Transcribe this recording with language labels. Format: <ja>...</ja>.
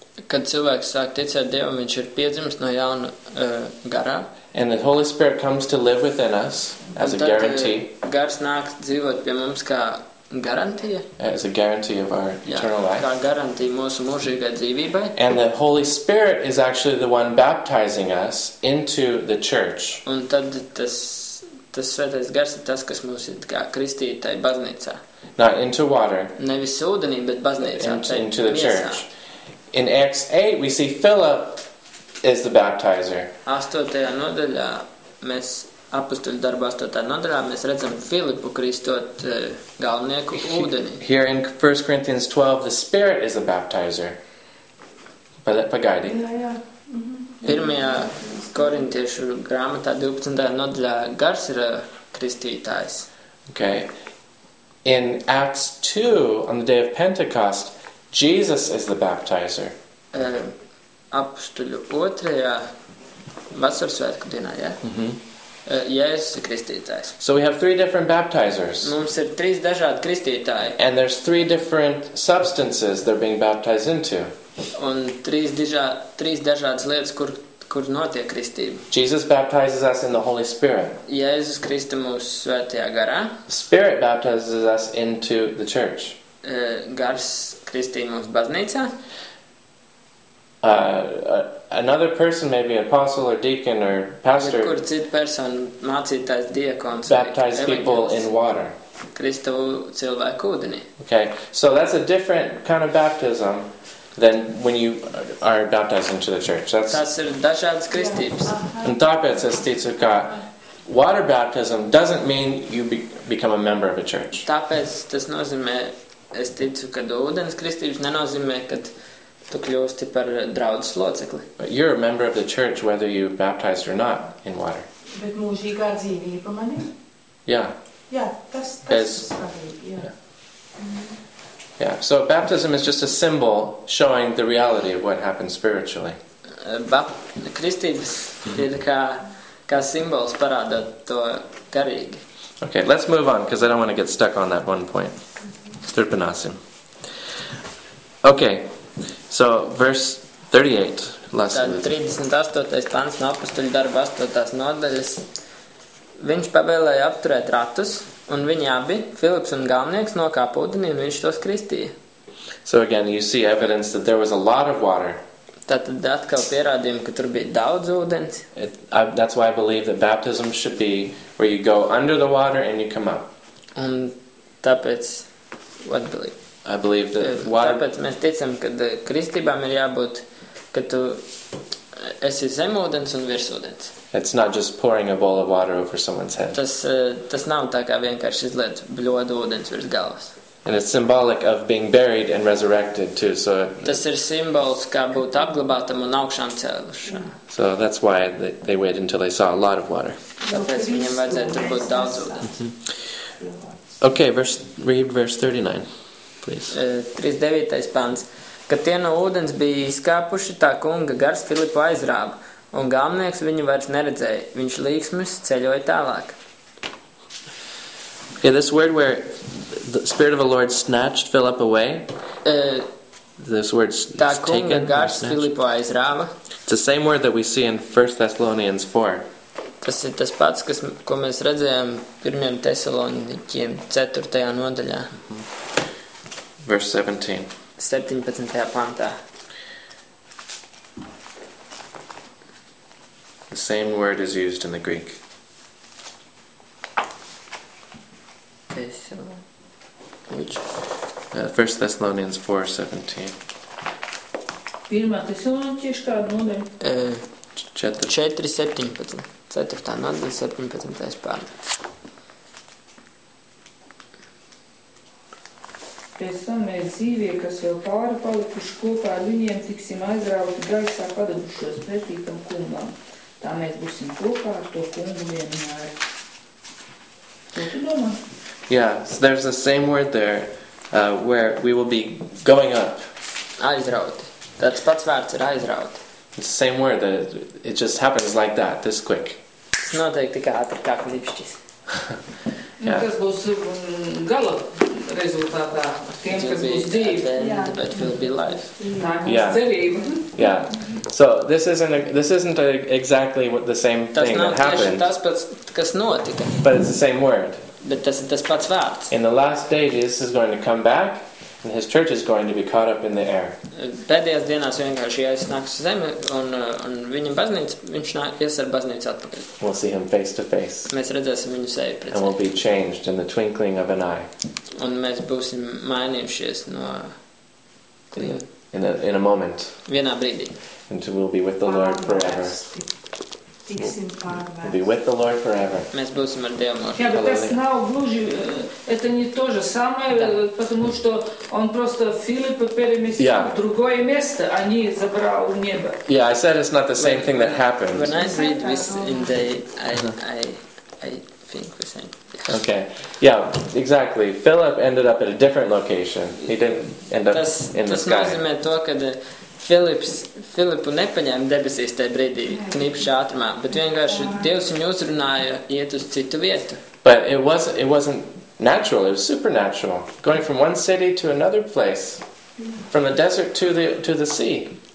<lv>Kad cilvēks sāk ticēt Dievu, viņš ir piedzimis no jauna garā.</lv> <en>And the Holy Spirit comes to live within us as a guarantee.</en> <lv>Gars nāk dzīvot pie mums kā garantija.</lv> <en>As a guarantee of our eternal life.</en> <lv>Kā garantija mūsu mūžīgai dzīvībai.</lv> <en>And the Holy Spirit is actually the one baptizing us into the church.</en> <lv>Un tad tas svētais gars ir tas, kas mūs ir kā kristītai baznīcā.</lv> <en>Not into water.</en> <lv>Nevis ūdenī, bet baznīcā.</lv> <en>Into the church. In Acts 8, we see Philip is the baptizer.</en> <lv>8. Nodaļā mēs Apustuļu darbu 8. Nodaļā mēs redzam Filipu kristot galvenieku ūdenī.</lv> <en>Here in 1 Corinthians 12, the Spirit is a baptizer.</en> <lv>Pagaidi. Jā, jā. Mm-hmm. 1. Korintiešu grāmatā 12. Nodaļā gars ir kristītājs.</lv> <en>Okay. In Acts 2, on the day of Pentecost, Jesus is the baptizer.</en> <lv>Apustuļu 2. Vasarsvētku dienā, jā? Mm-hmm. Jēzus ir kristītājs.</lv> <en>So we have three different baptizers.</en> <lv>Mums ir trīs dažādi kristītāji.</lv> <en>And there's three different substances they're being baptized into.</en> <lv>Un trīs dažādas lietas, kur notiek kristība.</lv> <en>Jesus baptizes us in the Holy Spirit.</en> <lv>Jēzus Kristus mūs svētajā garā.</lv> <en>Spirit baptizes us into the church.</en> <lv>Gars kristī mūs baznīcā.</lv> <en>Another person, maybe an apostle or deacon or pastor,</en> <lv>kur cita persona, mācītājs, diakons,</lv> <en>baptize people in water.</en> <lv>Kristu cilvēku ūdenī.</lv> <en>Okay, so that's a different kind of baptism than when you are baptized into the church.</en> <lv>Tas ir dažādas kristības. Un tāpēc es ticu, ka</lv> <en>water baptism doesn't mean you become a member of a church.</en> <lv>Tāpēc tas nozīmē, es ticu, ka ūdens kristības nenozīmē, ka tu kļūsti par draudzes locekli.</lv> <en>But you're a member of the church whether you baptized or not in water.</en> <lv>Bet mūžīgā dzīvība man ir. Jā. Jā, tas ir svarīgi. Jā.</lv> <en>So baptism is just a symbol showing the reality of what happens spiritually.</en> <lv>Kristības ir kā simbols parādot to garīgi.</lv> <en>Okay, let's move on because I don't want to get stuck on that one point.</en> <lv>Turpināsim.</lv> <en>Okay. So, verse</en> <lv>38,</lv> <en>last verse.</en> <lv>38. Pants no apustuļu darba 8. Nodaļas. Viņš pavēlēja apturēt ratus, un viņi abi, Filips un galvenieks, nokāpa ūdenī, un viņš tos kristīja.</lv> <en>So again, you see evidence that there was a lot of water.</en> <lv>Tātad atkal pierādījumi, ka tur bija daudz ūdens.</lv> <en>That's why I believe that baptism should be where you go under the water and you come up.</en> <lv>Un tāpēc,</lv> <en>what believe? I believe that water...</en> <lv>Tāpēc mēs ticam, ka kristībām ir jābūt, ka tu esi zem ūdens un virs ūdens.</lv> <en>It's not just pouring a bowl of water over someone's head.</en> <lv>Tas nav tā kā vienkārši izliet bļodu ūdens virs galvas.</lv> <en>And it's symbolic of being buried and resurrected too, so...</en> <lv>Tas ir simbols, kā būt apglabātam un augšām cēlušam.</lv> <en>So that's why they wait until they saw a lot of water.</en> <lv>Tāpēc viņiem vajadzētu tur būt daudz ūdens.</lv> <en>Okay, read verse 39.</en> <lv>39. Pants. Kad tie no ūdens bija izkāpuši, tā kunga gars Filipu aizrāba, un galvenieks viņu vairs neredzēja. Viņš līksmes ceļoja tālāk.</lv> <en>Okay, this word where the Spirit of the Lord snatched Philip away. This word is taken. It's the same word that we see in 1 Thessalonians 4.</en> <lv>Tas ir tas pats, kas, ko mēs redzējām 1. Tesaloniķiem 4. Nodaļā.</lv> <en>Verse 17.</en> <lv>17. Pantā.</lv> <en>The same word is used in the Greek. Which? 1 Thessalonians 4, 17.</en> <lv>Pirmā Tesaloniķiem kāda nodaļa? 4, 17. 4. Nodaļa, 17. Pantā. Pēc tam mēs dzīvie, kas vēl pāri palikuši kopā ar viņiem, tiksim aizrauti gaisā padabušos pretītam kungam. Tā mēs būsim kopā ar to kungu vienmēr. Ko tu domā?</lv> <en>Yeah, so there's the same word there, where we will be going up.</en> <lv>Aizrauti. Tāds pats vārds ir aizrauti.</lv> <en>It's the same word, that it just happens like that, this quick.</en> <lv>Tas noteikti tik ātri kā klipšķis.</lv> <en>Yeah.</en> <lv>Kas būs gala rezultātā tiem, kas būs dzīvi.</lv> <en>Yeah. But will be life. Yeah. Yeah. So this isn't exactly what the same</en> <lv>tas</lv> <en>thing that happened.</en> <lv>Tas pats, kas notika.</lv> <en>But it's the same word.</en> <lv>Bet tas ir tas pats vārds.</lv> <en>In the last day, Jesus is going to come back, and his church is going to be caught up in the air.</en> <lv>Pēdējās dienās vienkārši aiznāks uz zemi, un viņam baznīca, viņš ies ar baznīcu atpakaļ.</lv> <en>We'll see him face to face.</en> <lv>Mēs redzēsim viņu seju pret seju.</lv> <en>And we'll be changed in the twinkling of an eye.</en> <lv>Un mēs būsim mainījušies no</lv> <en>klīva. In a moment.</en> <lv>Vienā brīdī.</lv> <en>And we'll be with the Lord forever. We'll be with the Lord forever.</en> <lv>Mēs būsim ar Dievu mūžīgi. Jā, bet tas nav gluži,</lv> <ru>это не то же самое, потому что он просто Филиппа переместил в другое место, а не забрал небо.</ru> <en>Yeah, I said it's not the same thing that happened. When I read this in the I think the same. Okay. Yeah, exactly. Philip ended up at a different location. He didn't end up in the sky.</en> <lv>Tas nozīmē to, kad Filipu nepaņēma debesīs tajā brīdī knipša ātrumā, bet vienkārši Dievs viņu uzrunāja iet uz citu vietu.</lv> <en>But it wasn't natural, it was supernatural. Going from one city to another place, from the desert to the sea.</en>